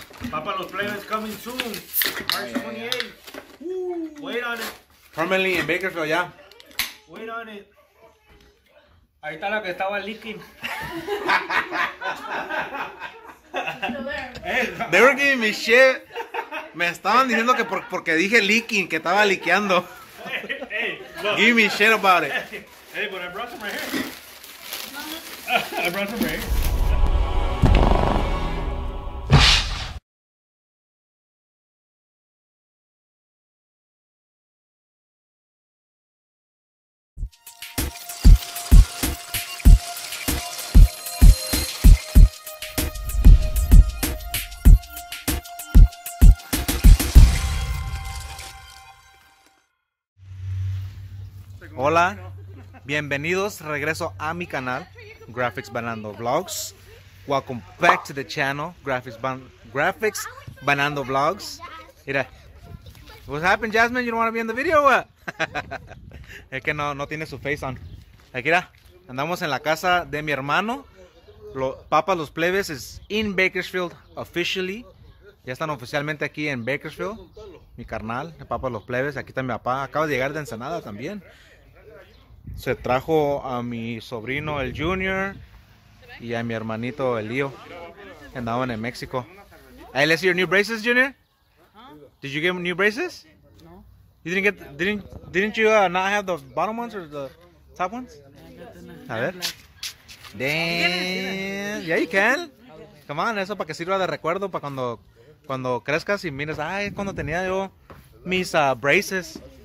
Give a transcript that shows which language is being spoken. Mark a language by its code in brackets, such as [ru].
[en] Papa, los players coming soon. March 28th. Wait on it. Permanently in Bakersfield, ya. Yeah. Wait on it. [es] Ahí está la que estaba leaking. [en] They were giving me shit. [es] Me estaban diciendo que porque dije leaking, que estaba liqueando. [en] Hey, give me shit about it. Hey, but I brought some right here. I brought some right here. [es] Hola, bienvenidos, regreso a mi canal, Graphics Banando Vlogs. [en] Welcome back to the channel, Graphics Banando Vlogs. Mira, what happened, Jasmine? You don't want to be in the video or what? [es] Es que no tiene su [en] face on. [es] Aquí, mira, andamos en la casa de mi hermano. [en] Papa Los Plebes is in Bakersfield officially. [es] Ya están oficialmente aquí en Bakersfield. Mi carnal, el Papa Los Plebes. Aquí está mi papá, acaba de llegar de Ensenada también. Se trajo a mi sobrino, el Junior, y a mi hermanito, el Leo, que andaban en México. [en] Hey, let's see your new braces, Junior. Did you get new braces? No. You didn't get, didn't you not have the bottom ones or the top ones? [es] A ver. [en] Damn. Yeah, you can. Come on, [es] eso para que sirva de recuerdo para cuando crezcas y mires, ay, cuando tenía yo mis braces.